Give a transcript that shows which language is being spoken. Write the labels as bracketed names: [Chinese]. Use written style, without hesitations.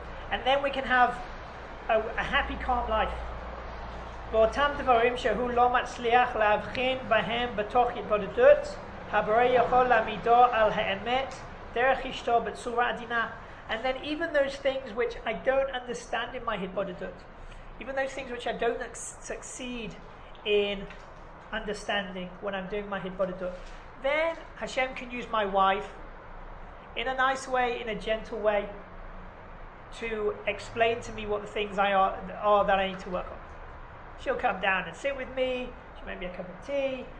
[English] And then we can have a happy, calm life. [Hebrew] באותם דברים שהוא לא מצליח להבחין בהם בתוך התבודדות, הברא יכול להעמידו על האמת דרך אשתו בצורה עדינה. [English] And then even those things which I don't understand in my התבודדות, even those things which I don't succeed in understanding when I'm doing my התבודדות, then Hashem can use my wife in a nice way, in a gentle way, to explain to me what the things are that I need to work on. She'll come down and sit with me. She'll make me a cup of tea.